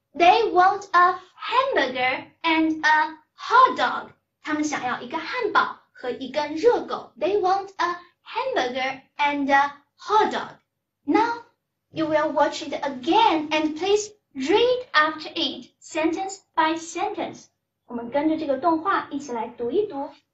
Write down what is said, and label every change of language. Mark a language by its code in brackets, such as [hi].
[en] They want a hamburger and a hot dog. [zh] 他们想要一个汉堡和一根热狗。 [en] They want a hamburger and a hot dog. Now, you will watch it again and please read after it, sentence by sentence. [zh] 我们跟着这个动画一起来读一读。